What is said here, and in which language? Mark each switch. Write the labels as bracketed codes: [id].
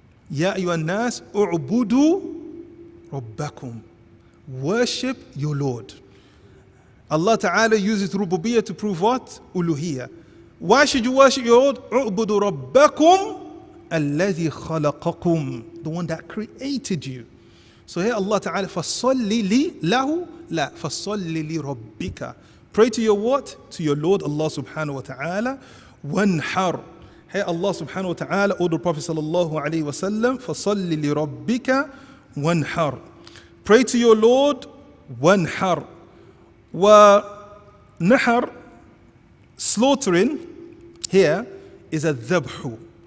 [ar] Ya ayyuhan nas, u'budu rabbakum. [en] Worship your Lord. Allah ta'ala uses rububiyyah to prove what? Uluhiyyah. Why should you worship your Lord? [ar] U'budu rabbakum alladhi khalaqakum. [en] The one that created you. So here [ar] Allah ta'ala, فَصَلِّ لِي لَهُ لَا فَصَلِّ لِرَبِّكَ. [en] Pray to your what? To your Lord Allah subhanahu wa ta'ala. وَانْحَرْ. Here Allah subhanahu wa ta'ala order Prophet sallallahu alayhi wa sallam, [ar] فَصَلِّ لِرَبِّكَ وَانْحَرْ. [en] Pray to your Lord, وَانْحَرْ. وَنَحَرْ, slaughtering here is a ذَبْحُ.